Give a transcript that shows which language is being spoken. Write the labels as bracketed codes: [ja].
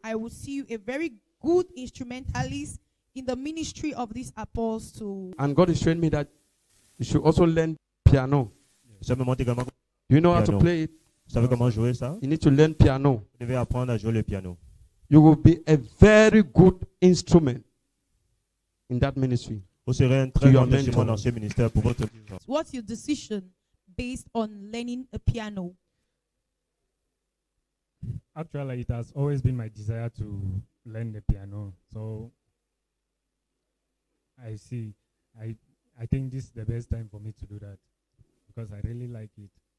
[en] I will see you a very good instrumentalist in the ministry of this apostle. And God is showing me that you should also learn piano. You know how to play it? You need to learn piano. [fr] Vous devez apprendre à jouer le piano. You will be a very good instrument in that ministry. Vous serez un très bon instrument dans ce ministère pour votre vie. [en] What's your decision based on learning a piano? Actually, it has always been my desire to learn the piano. So I see. I think this is the best time for me to do that because I really like it.